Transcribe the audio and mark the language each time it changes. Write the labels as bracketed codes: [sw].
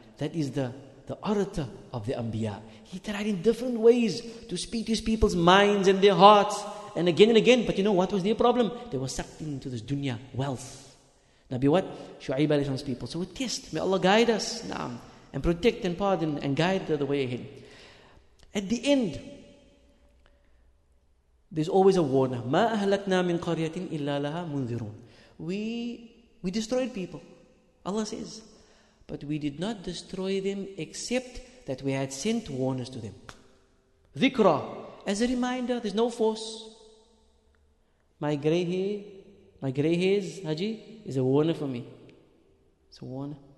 [en] That is the orator of the Anbiya. He tried in different ways to speak to his people's minds and their hearts and again, but you know what was their problem? They were sucked into this dunya, wealth. Nabi what? Shu'aib alayhi salam's people. So a test, may Allah guide us, na'am, and protect and pardon and guide the way ahead. At the end, there's always a warner. [ar] مَا أَهْلَكْنَا مِنْ قَرْيَةٍ إِلَّا لَهَا مُنذِرُونَ [en] We destroyed people, Allah says. But we did not destroy them except that we had sent warners to them. Dhikra, as a reminder, there's no force. My grey hairs, Haji, is a warner for me. It's a warner.